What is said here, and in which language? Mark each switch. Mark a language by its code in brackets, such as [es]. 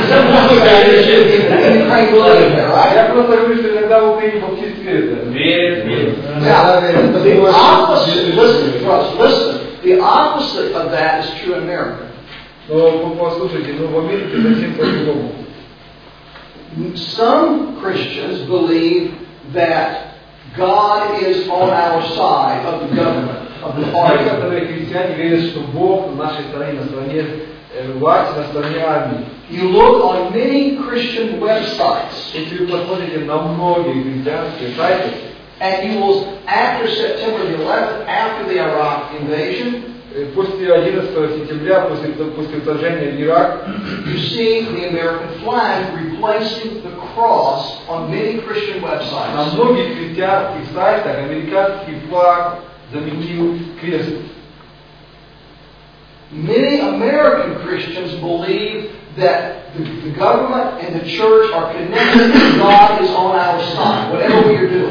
[ru] Я просто говорю, что иногда в Украине баптисты верят. [en] The opposite of that is true in America. [ru] Послушайте, но в Америке совсем по-другому. [en] Some Christians believe that God is on our side of the government, of the party. [ru] Некоторые христиане верят, что Бог на нашей стороне, на стороне власти, на стороне армии. [en] You look on many Christian websites. [ru] Если вы посмотрите на многие христианские сайты. [en] And you will, after September the 11th, after the Iraq invasion, [ru] после 11 сентября, после вторжения в Ирак, [en] you see the American flag replacing the cross on many Christian websites. [ru] На многих христианских сайтах американский флаг заменил крест. [en] Many American Christians believe that the government and the church are connected and God is on our side, whatever we are doing.